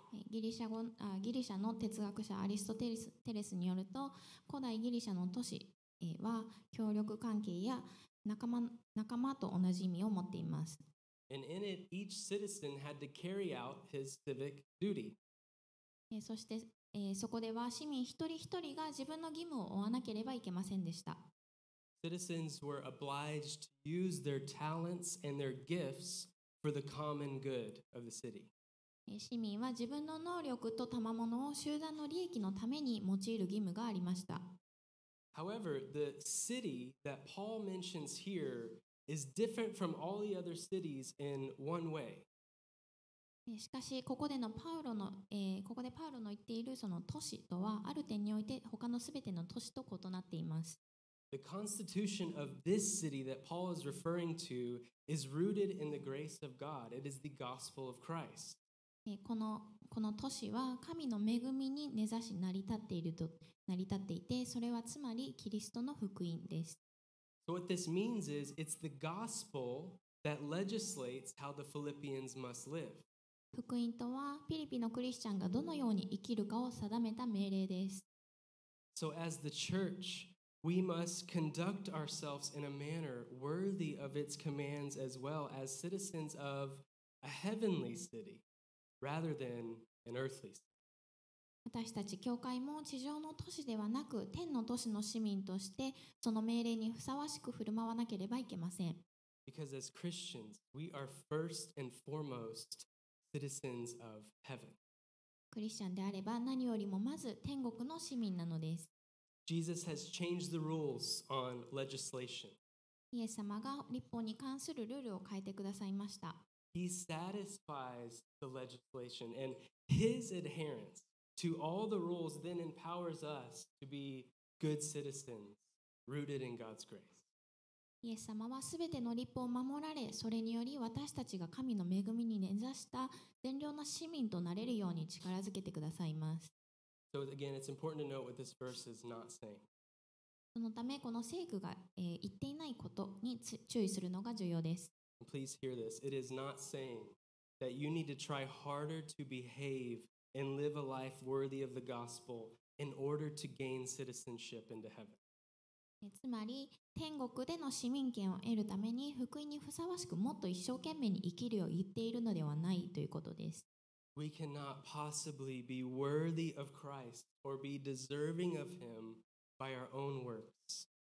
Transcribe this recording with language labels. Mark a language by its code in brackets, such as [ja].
[ja] ギリシャの哲学者アリストテレスによると、古代ギリシャの都市は協力関係や仲間と同じ意味を持っています。 [en] And in it, each citizen had to carry out his civic duty. [ja] そしてそこでは市民一人一人が自分の義務を負わなければいけませんでした。 [en] Citizens were obliged to use their talents and their gifts for the common good of the city. [ja] 市民は自分の能力と賜物を集団の利益のために用いる義務がありました。 [en] However, the city that Paul mentions here is different from all the other cities in one way. [ja] しかしここでのパウロの、ここでパウロの言っているその都市とはある点において他のすべての都市と異なっています。 [en] The constitution of this city that Paul is referring to is rooted in the grace of God. It is the gospel of Christ. [ja] この都市は神の恵みに根ざし成り立っていて、それはつまりキリストの福音です。 [en] So what this means is it's the gospel that legislates how the Philippians must live. [ja] 福音とはピリピのクリスチャンがどのように生きるかを定めた命令です。 [en] So as the church, we must conduct ourselves in a manner worthy of its commands as well as citizens of a heavenly city rather than an earthly city. [ja] 私たち教会も地上の都市ではなく天の都市の市民としてその命令にふさわしく振る舞わなければいけません。 [en] Because as Christians, we are first and foremost. Citizens of heaven. [ja] クリスチャンであれば何よりもまず天国の市民なのです。 [en] Jesus has changed the rules on legislation. [ja] イエス様が立法に関するルールを変えてくださいました。 [en] He satisfies the legislation, and his adherence to all the rules then empowers us to be good citizens rooted in God's grace. [ja] イエス様はすべての律法を守られ、それにより私たちが神の恵みに根ざした善良な市民となれるように力づけてくださいます。 [en] So again, it's important to note what this verse is not saying. [ja] そのため、この聖句が、言っていないことに注意するのが重要です。 [en] Please hear this. It is not saying that you need to try harder to behave and live a life worthy of the gospel in order to gain citizenship into heaven. [ja] つまり天国での市民権を得るために福音にふさわしくもっと一生懸命に生きるよう言っているのではないということです。 [en] We cannot possibly be worthy of Christ or be deserving of him by our own works.